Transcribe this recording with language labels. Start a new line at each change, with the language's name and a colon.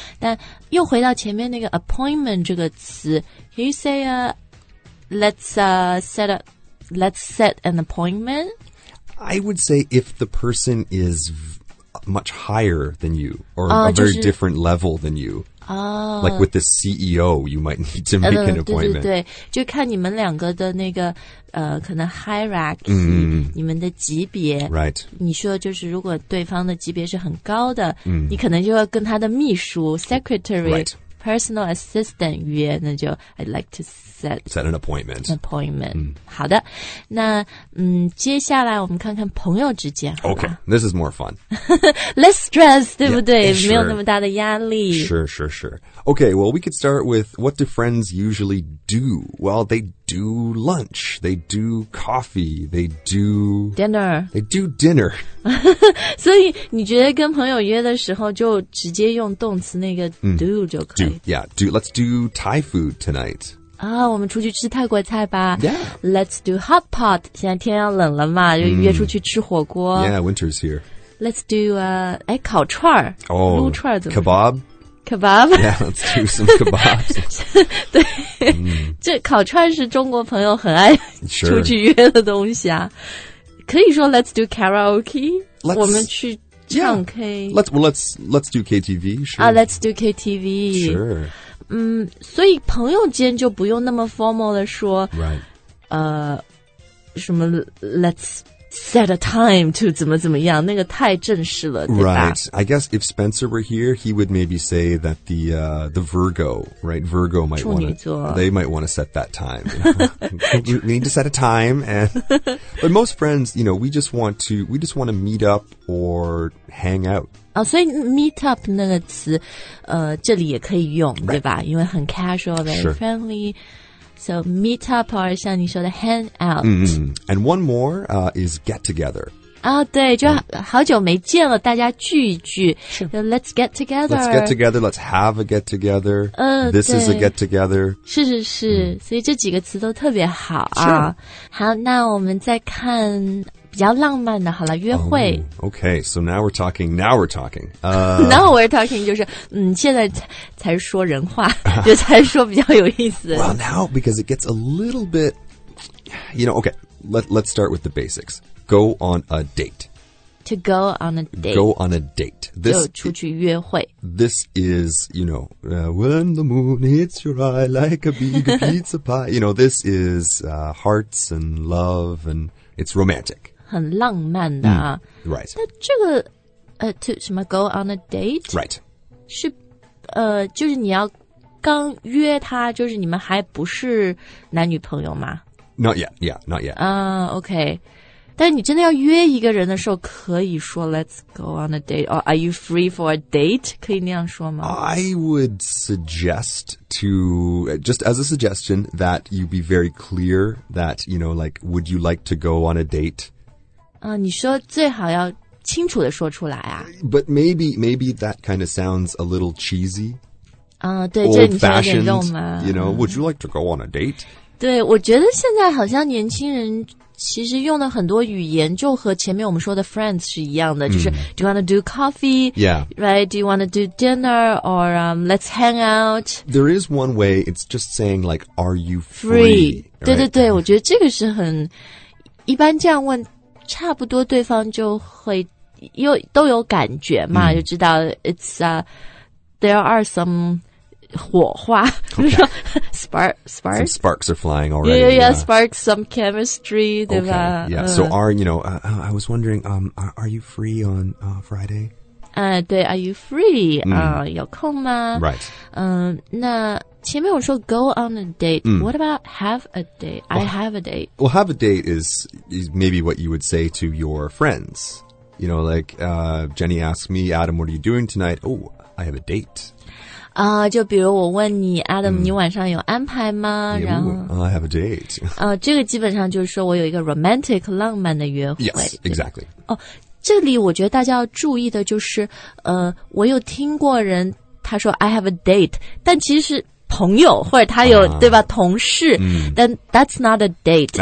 Chinese: 但又回到前面那个 appointment 这个词
English: Can you say, let's set an appointment? I would say if the person is much higher than you, or a very different level than you. Like with the CEO, you might need to make an appointment.
Chinese: 对对对，就看你们两个的那个可能 hierarchy,、你们的级别。
English: Right.
Chinese: 你说就是如果对方的级别是很高的、你可能就要跟他的秘书 secretary、personal assistant 约，那就
English: I'd like to set an appointment. An appointment.、
Chinese: 好的，那接下来我们看看朋友之间。
English: Okay, this is more fun. Less stress,
Chinese: 对不对
English: yeah, sure.
Chinese: 没有那么大的压力。
English: Sure, sure, sure. Okay, well, we could start with what do friends usually do? Well, they do lunch, they do coffee, they do... Dinner. They do dinner.
Chinese: 所以你觉得跟朋友约的时候就直接用动词那个 do 就可以。
English: Do, yeah, do. Let's do Thai food tonight.
Chinese: 我们出去吃泰国菜吧。
English: Yeah. Let's do hot pot.
Chinese: 现在天要冷了嘛就约出去吃火锅。
English: Yeah, winter's here. Let's do, 烤串。 Oh,
Chinese: 撸串怎么
English: kebab. Kebab? Yeah, let's do some kebabs.
Chinese: 对。这烤串是中国朋友很爱出去约的东西啊。
English: Sure.
Chinese: 可以说
English: let's do karaoke? Let's...
Chinese: 我们去唱 K.
English: Yeah. Let's do KTV. Sure. Let's do KTV. Sure.
Chinese: 所以朋友间就不用那么 formal 的说
English: Right.
Chinese: 什么
English: let's set a time to
Chinese: 怎么怎么样那个太正式了对吧
English: Right. I guess if Spencer were here, he would maybe say that the Virgo, right? Virgo might want to, they might want to set that time. You know? We need to set a time. And, but most friends, you know, we just want to meet up or hang out.
Chinese: 所以 meet up 那个词这里也可以用、
English: right.
Chinese: 对吧因为很 casual, very、
English: sure. friendly. So meet up or
Chinese: 像你说的
English: hang out.、 Mm-hmm. And one more is get together.
Chinese: 对就好久没见了大家聚一聚、
English: sure. Let's get together. Let's get together, let's have a get together. This is a get together.
Chinese: 是是是、所以这几个词都特别好啊、
English: sure.
Chinese: 好那我们再看比较浪漫的好了约会、
English: Okay, so now we're talking Now we're talking
Chinese: 就是现在 才说人话就才说比较有意思
English: Well now because it gets a little bit You know, okay Let's start with the basics Go on a date To go on a date Go on a date
Chinese: this, 就出去约会
English: This is, you know When the moon hits your eye Like a big pizza pie You know, this is hearts and love And it's romantic
Chinese: 很浪漫的啊、
English: Right
Chinese: 那这个to 什么 go on a date
English: Right
Chinese: 是就是你要刚约他就是你们还不是男女朋友吗
English: Not yet, yeah, not yet
Chinese: Okay但你真的要约一个人的时候可以说
English: let's go on a date
Chinese: or are you free for a date 可以那样说吗
English: I would suggest to just as a suggestion that you be very clear that you know like would you like to go on a date
Chinese: 你说最好要清楚地说出来啊
English: But maybe that kind of sounds a little cheesy
Chinese: 对这你说有点肉吗
English: You know would you like to go on a date
Chinese: 对我觉得现在好像年轻人其实用的很多语言就和前面我们说的 friends 是一样的、就是
English: do you want to do coffee? Yeah. Right? Do you want to do dinner? Or let's hang out? There is one way, it's just saying like, are you free? Free.
Chinese: 对对对、我觉得这个是很一般这样问差不多对方就会都有感觉嘛、就知道
English: it's there are some...
Chinese: 火花、
English: okay. Sparks Some sparks are flying already Yeah, yeah, sparks, some chemistry Okay,
Chinese: 对吧
English: yeah, so are, you know I was wondering, are you free on Friday?
Chinese: 对
English: are you free?
Chinese: 有空吗
English: Right
Chinese: 那前面我说
English: go on a date、What about have a date? Well, I have a date Well, have a date is maybe what you would say to your friends You know, like Jenny asked me, Adam, what are you doing tonight? Oh, I have a date
Chinese: 就比如我问你 Adam、你晚上有安排吗
English: yeah,
Chinese: 然后
English: I have a date
Chinese: 、这个基本上就是说我有一个 romantic 浪漫的约会
English: Yes, exactly
Chinese: 哦，这里我觉得大家要注意的就是我有听过人他说
English: I have a date
Chinese: 但其实是朋友或者他有、对吧同事、但
English: that's not a date